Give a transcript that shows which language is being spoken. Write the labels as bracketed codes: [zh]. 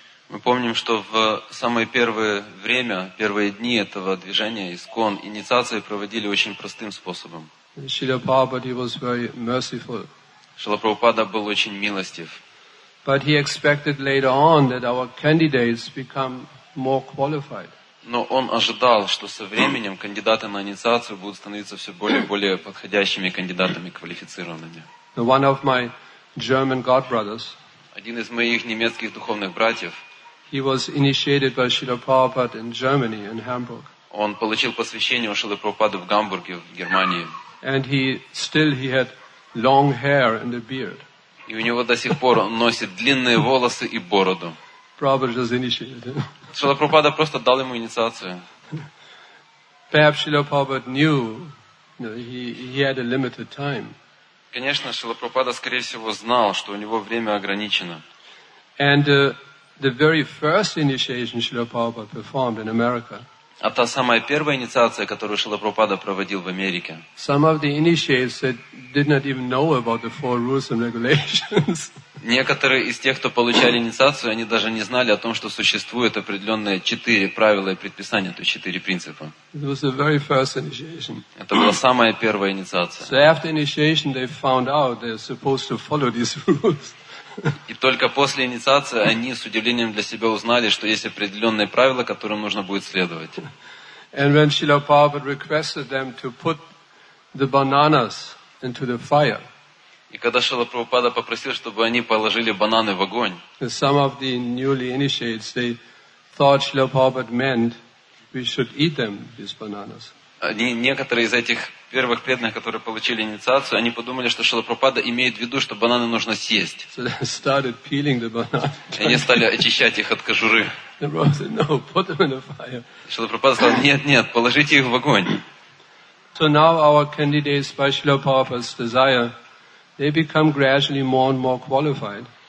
[ru] Мы помним, что в самое первое время, первые дни этого движения ISKCON, инициации проводили очень простым способом. [en] Srila Prabhupada was very merciful. [ru] Srila Prabhupada был очень милостив. [en] But he expected later on that our candidates become more qualified. [ru] Но он ожидал, что со временем кандидаты на инициацию будут становиться все более и более подходящими кандидатами, квалифицированными. [en] One of my German godbrothers, [ru] один из моих немецких духовных братьев, [en] he was initiated by Srila Prabhupada in Germany, in Hamburg. [ru] Он получил посвящение у Шрилы Прабхупады в Гамбурге, в Германии. [en] And he still he had long hair and a beard. [ru] И у него до сих пор он носит длинные волосы и бороду. [en] Prabhupada just initiated him. [ru] Шрила Прабхупада просто дал ему инициацию. [en] Perhaps Srila Prabhupada knew, you know, he had a limited time. [ru] Конечно, Шрила Прабхупада, скорее всего, знал, что у него время ограничено. [en] And the very first initiation Srila Prabhupada performed in America. [ru] А та самая первая инициация, которую Шрила Прабхупада проводил в Америке. [en] Some of the initiates did not even know about the four rules and regulations. [ru] Некоторые из тех, кто получали инициацию, они даже не знали о том, что существуют определенные четыре правила и предписания, то есть четыре принципа. [en] It was the very first initiation. [ru] Это была самая первая инициация. [en] So after initiation, they found out they're supposed to follow these rules. [ru] И только после инициации они с удивлением для себя узнали, что есть определенные правила, которым нужно будет следовать. [en] And when Srila Prabhupada requested them to put the bananas into the fire. [ru] И когда Шрила Прабхупада попросил, чтобы они положили бананы в огонь. [en] Some of the newly initiates, they thought Srila Prabhupada meant we should eat them, these bananas. [ru] Они, некоторые из этих первых преданных, которые получили инициацию, они подумали, что Шрила Прабхупада имеет в виду, что бананы нужно съесть. [en] So they started peeling the bananas. [ru] Они стали очищать их от кожуры. [en] The Prabhupada said, no, put them in the fire. [ru] Шрила Прабхупада сказал, нет, нет, положите их в огонь. [en] So now our candidates by Srila Prabhupada's desire, they become gradually more and more qualified.